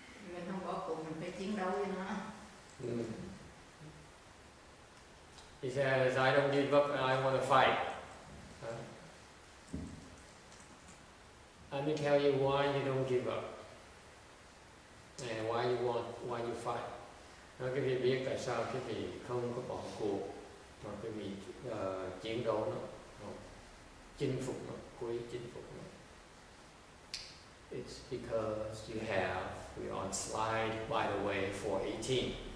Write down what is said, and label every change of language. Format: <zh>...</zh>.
<vi>Người không bỏ cuộc, mình phải chiến đấu với nó.</vi> <en>He says, I don't give up, I want to fight. Let me tell you why you don't give up. And why you want, why you fight.</en> <vi>Nói quý vị biết tại sao quý vị không có bỏ cuộc, mà quý vị chiến đấu nó, chinh phục nó, cố ý chinh phục nó.</vi> <en>It's because you have, we're on slide, by the way, 418.</en>